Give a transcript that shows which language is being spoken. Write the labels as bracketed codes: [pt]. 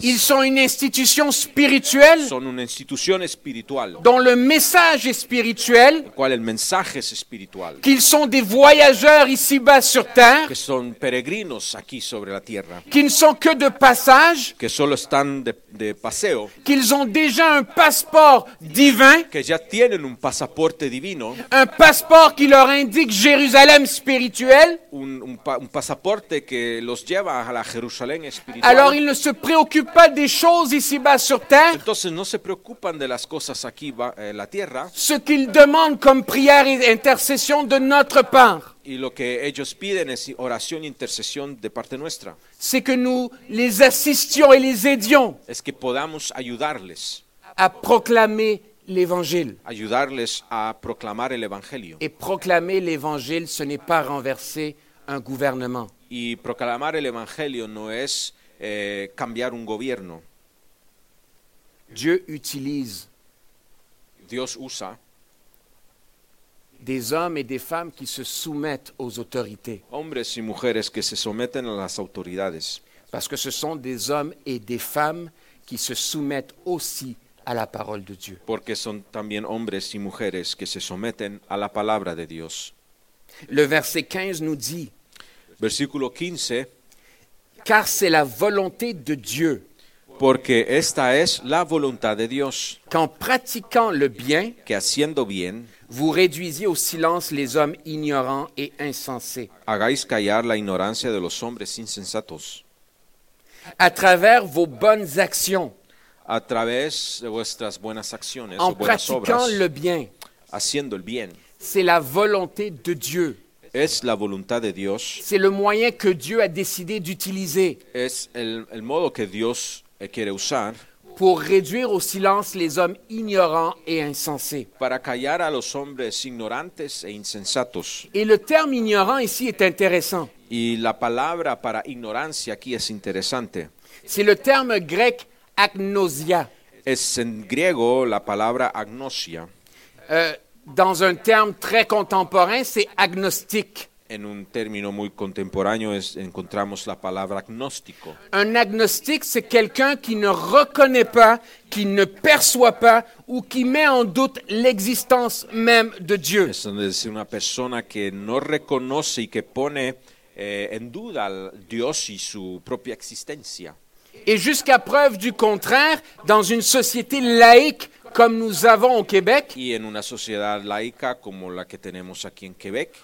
[fr] Ils sont une institution spirituelle. [es] Son una institución espiritual. [fr] Dont le message est spirituel. [es] ¿Cuál el mensaje es espiritual? [fr] Qu'ils sont des voyageurs ici-bas sur terre. [es] Que son peregrinos aquí sobre la tierra. [fr] Qu'ils ne sont que de passage. [es] Que solo están de paseo. [fr] Qu'ils ont déjà un passeport divin. [es] Que ya tienen un pasaporte divino. [fr] Un passeport qui leur indique Jérusalem spirituelle. [es] Un pasaporte que los lleva a la Jerusalén espiritual. [fr] Alors ils ne se préoccupent pas des choses ici-bas sur terre. [es] Entonces no se preocupan de las cosas aquí en la tierra. [fr] Ce qu'ils demandent comme prière et intercession de notre part. [es] Y lo que ellos piden es oración e intercesión de parte nuestra. [fr] C'est que nous les assistions et les aidions. [es] Es que podamos ayudarles. [fr] À proclamer l'évangile. [es] Ayudarles a proclamar el evangelio. [fr] Et proclamer l'évangile, ce n'est pas renverser un gouvernement. [es] Y proclamar el evangelio no es cambiar un gobierno. [fr] Dieu utilise. [es] Dios usa. [fr] Des hommes et des femmes qui se soumettent aux autorités. [es] Hombres y mujeres que se someten a las autoridades. [fr] Parce que ce sont des hommes et des femmes qui se soumettent aussi à la parole de Dieu. [es] Porque son también hombres y mujeres que se someten a la palabra de Dios. [fr] Le verset 15 nous dit. [es] Versículo 15. [fr] Car c'est la volonté de Dieu. [es] Porque esta es la voluntad de Dios. [fr] Qu'en pratiquant le bien. [es] Que haciendo bien. [fr] Vous réduisiez au silence les hommes ignorants et insensés. [es] Hagáis callar la ignorancia de los hombres insensatos. [fr] À travers vos bonnes actions. [es] A través de vuestras buenas acciones, [fr] en [es] o buenas [fr] pratiquant [es] obras, [fr] le bien, [es] haciendo el bien, [fr] c'est la volonté de Dieu. [es] Es la voluntad de Dios. [fr] C'est le moyen que Dieu a décidé d'utiliser. [es] Es el modo que Dios quiere usar. [fr] Pour réduire au silence les hommes ignorants et insensés. [es] Para callar a los hombres ignorantes e insensatos. [fr] Et le terme ignorant ici est intéressant. [es] Y la palabra para ignorancia aquí es interesante. [fr] C'est le terme grec. Agnosia. [es] Es en griego la palabra agnosia. [fr] Dans un terme très contemporain, c'est agnostique. [es] en un término muy contemporáneo es, encontramos la palabra agnóstico. [fr] Un agnostique, c'est quelqu'un qui ne reconnaît pas, qui ne perçoit pas ou qui met en doute l'existence même de Dieu. [es] Es una persona que no reconoce y que pone en duda al Dios y su propia existencia. [fr] Et jusqu'à preuve du contraire, dans une société laïque comme nous avons au Québec, [es] y en una sociedad laica como la que tenemos aquí en Quebec,